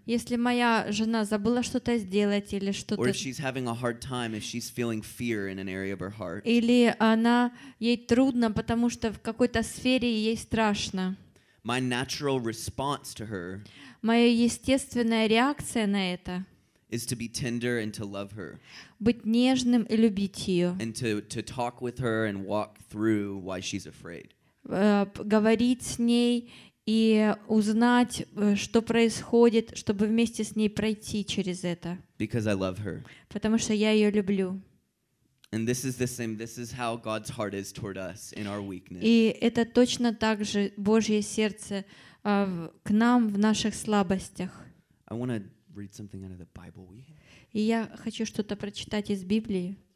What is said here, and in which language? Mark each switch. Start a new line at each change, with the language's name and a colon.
Russian: Если моя жена забыла что-то сделать или что-то.
English: Or if she's having a hard time, if she's feeling fear in an area of her heart.
Russian: Или она ей трудно, потому что в какой-то сфере ей страшно.
English: My natural response to her.
Russian: Моя естественная реакция на это.
English: Is to be tender and to love her.
Russian: Быть нежным и любить ее.
English: And to talk with her and walk through why she's afraid.
Russian: Говорить с ней. И узнать, что происходит, чтобы вместе с ней пройти через это.
English: Because I love her.
Russian: Потому что я ее люблю.
English: And this is the same. This is how God's heart is toward us in our weakness.
Russian: И это точно так же Божье сердце к нам в наших слабостях.
English: I want to read something out of the Bible.
Russian: И я хочу что-то прочитать из Библии.